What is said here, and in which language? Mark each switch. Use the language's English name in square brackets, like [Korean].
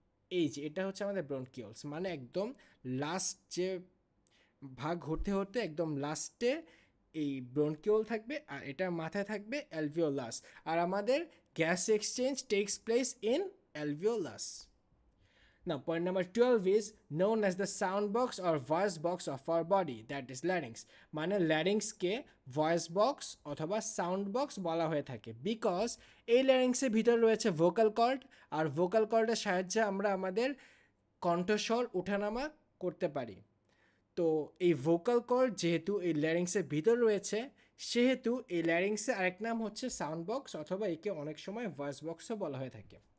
[Bangla] এই যে এটা হচ্ছে আমাদের ব্রঙ্কিওলস, মানে একদম লাস্ট যে ভাগ হতে হতে একদম লাস্টে এই ব্রঙ্কিওল থাকবে, আর এটার মাথায় থাকবে অ্যালভিওলাস, আর আমাদের [English] Gas exchange takes place in alveolus. Now, point number 12 is known as the sound box or voice box of our body, that is larynx. [Bangla] মানে larynx কে voice box অথবা sound box বলা হয়ে থাকে, because এই larynx এর ভিতরে রয়েছে vocal cord, আর vocal cord এর সাহায্যে আমরা আমাদের কণ্ঠস্বর ওঠানামা করতে পারি। তো এই vocal cord যেহেতু এই larynx এর ভিতরে রয়েছে, সেহেতু এই larynx এর আরেক নাম হচ্ছে sound box, অথবা একে অনেক সময় voice boxও বলা হয়ে থাকে।